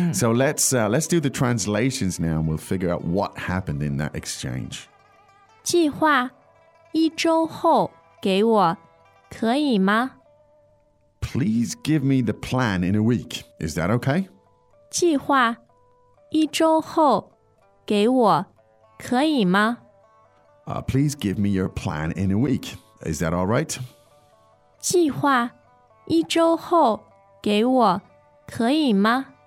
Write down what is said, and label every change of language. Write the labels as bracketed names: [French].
[English] So let's do the translations now and we'll figure out what happened in that exchange. [Chinese] 计划一周后给我。可以吗? [English] Please give me the plan in a week. Is that okay? [Chinese] 计划一周后给我可以吗? [English] Please give me your plan in a week. Is that all right? [Chinese] 计划一周后给我可以吗?